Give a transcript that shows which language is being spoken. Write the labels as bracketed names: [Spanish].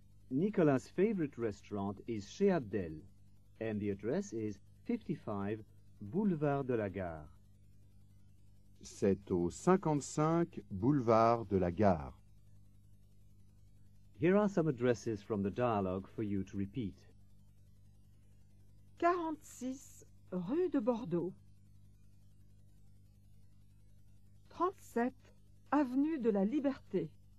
[English] Nicolas' favorite restaurant is chez Abdel, and the address is 55 boulevard de la gare. [French] C'est au 55 boulevard de la gare. [English] Here are some addresses from the dialogue for you to repeat. [French] 46 rue de Bordeaux. 37 avenue de la Liberté.